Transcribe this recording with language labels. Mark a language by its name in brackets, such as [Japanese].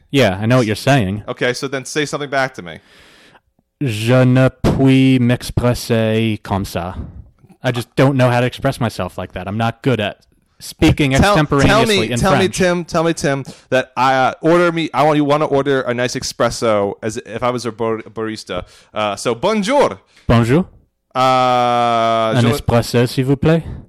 [English] Yeah, I know what you're saying. Okay, so then say something back to me. [French] Je ne puis m'expresser comme ça. [English] I just don't know how to express myself like that. I'm not good at speaking extemporaneously in French. Tell me, Tim, that I want you to order a nice espresso as if I was a barista. [French] So, bonjour. Bonjour. Un espresso, s'il vous plaît?